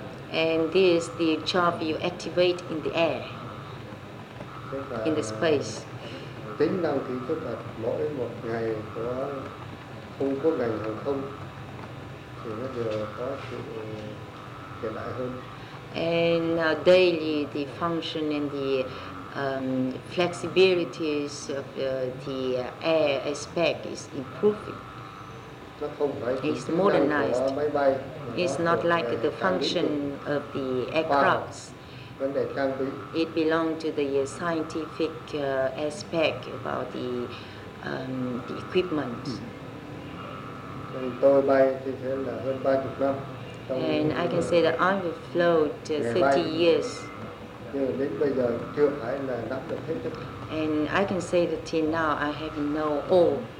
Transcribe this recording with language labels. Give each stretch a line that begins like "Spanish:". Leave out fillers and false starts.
English: And this is the job you activate in the air, in the space.
Vietnamese: Tính năng kỹ thuật là mỗi một ngày có không có ngành hàng không thì nó đều có sự hiện đại hơn.
English: And daily the function and the flexibilities of the air aspect is improving.
Vietnamese: Nó không phải
English: it's modernized.
Vietnamese: Máy bay,
English: it's not like the function of the aircrafts.
Vietnamese: Vấn đề trang bị.
English: It belongs to the scientific aspect about the equipment.
Vietnamese: Tôi bay thì sẽ là hơn 30 năm.
English: And I can say that I've flown 30 years.
Vietnamese: Nhưng đến bây giờ chưa phải là nắm được hết tất cả.
English: And I can say that till now I have no all.